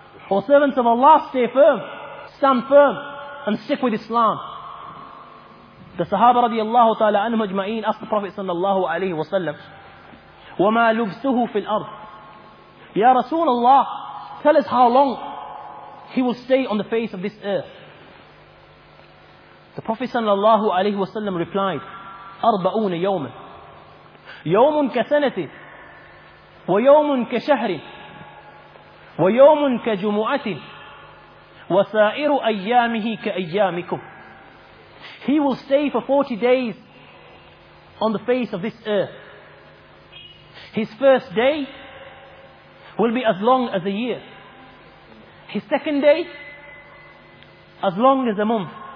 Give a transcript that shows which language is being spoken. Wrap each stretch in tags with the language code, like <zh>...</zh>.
<en>O servants of Allah, stay firm, stand firm, and stick with Islam. The Sahaba radiallahu ta'ala anhu ajma'in asked the Prophet sallallahu alayhi wa sallam,</en> <ar>وَمَا لُبْسُهُ فِي الْأَرْضِ.</ar> <en>Ya Rasulullah, tell us how long he will stay on the face of this earth. The Prophet sallallahu alayhi wa sallam replied,</en> <ar>أَرْبَعُونَ يَوْمًا يَوْمٌ كَسَنَةٍ وَيَوْمٌ كَشَهْرٍ وَيَوْمٌ كَجُمُعَةٍ وَسَائِرُ أَيَّامِهِ كَأَيَّامِكُمْ.</ar> <en>He will stay for 40 days on the face of this earth. His first day will be as long as a year. His second day, as long as a month.</en>